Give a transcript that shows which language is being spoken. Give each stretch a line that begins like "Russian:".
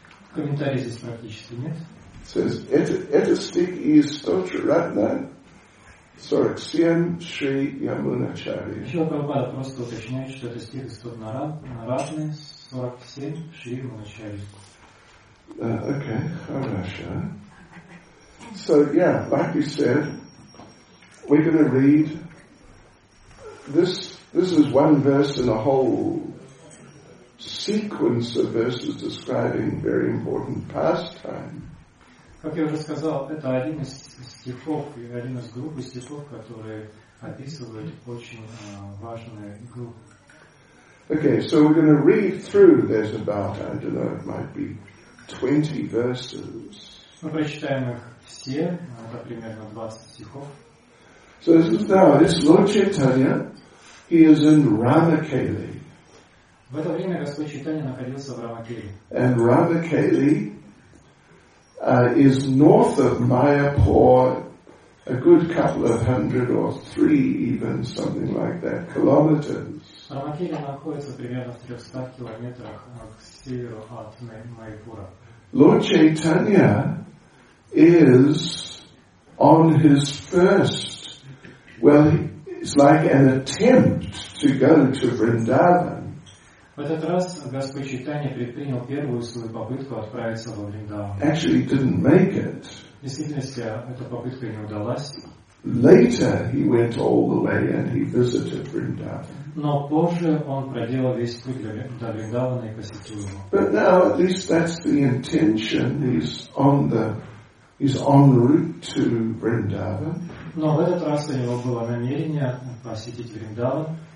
Russian: В комментарии здесь практически нет.
English: It says,
Russian: это стих из Стотраратна Сорексиан Шри Ямуначарья. Еще Прабхупада просто уточняет, что это стих из Стотраратны 47 Шри Ямуначарья. Окей, хорошо.
English: So yeah, like you said, we're going to read this. This is one verse in a whole sequence of verses describing very important pastime.
Russian: Как я уже сказал, это один из стихов и один из групп стихов, которые описывают очень важные группы.
English: Okay, so we're going to read through. There's about, I don't know, it might be 20 verses.
Russian: Мы прочитаем их. Все, это примерно 20 стихов.
English: So this is now, this Lord Chaitanya, he is in Ramakeli.
Russian: В это время Господь Чайтанья находился в Рамакели.
English: And Ramakeli is north of Mayapur a good couple of hundred or three even, something like that, kilometers.
Russian: Ромакея находится примерно в 300 километрах к северу от Майпура.
English: Lord Chaitanya is on his first, well, it's like an attempt to go to Vrindavan.
Russian: В этот раз Господь Чайтанья предпринял первую свою попытку отправиться во Вриндаван.
English: Actually, he didn't make it.
Russian: В действительности, эта попытка не удалась.
English: Later, he went all the way and he visited Vrindavan.
Russian: Но позже он проделал весь путь до Вриндавана и посетил его.
English: But now, at least that's the intention. He's en route to Vrindavan.
Russian: Но в этот раз у него было намерение посетить Вриндаван.